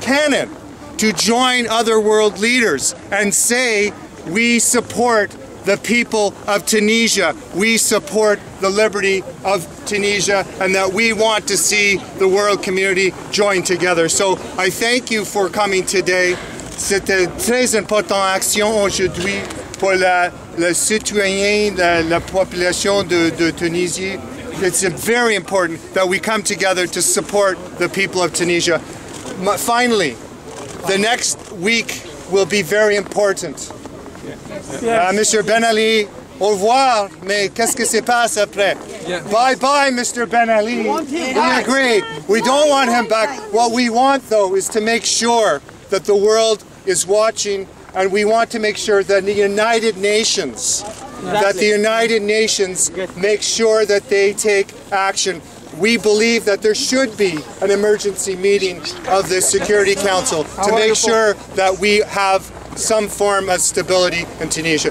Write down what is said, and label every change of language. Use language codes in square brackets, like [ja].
[en] Cannon to join other world leaders and say we support the people of Tunisia. We support the liberty of Tunisia, and that we want to see the world community join together. So I thank you for coming today. [fr] C'était très important action aujourd'hui pour les citoyens, la population de Tunisie. [en] It's very important that we come together to support the people of Tunisia. Finally, the next week will be very important. Yes. Mr. [fr] Ben Ali, au revoir, mais qu'est-ce que se passe après? [en] Bye-bye, Mr. Ben Ali. We agree. We don't want him back. What we want, though, is to make sure that the world is watching, and we want to make sure that the United Nations, that the United Nations make sure that they take action. We believe that there should be an emergency meeting of the Security Council to make sure that we have some form of stability in Tunisia.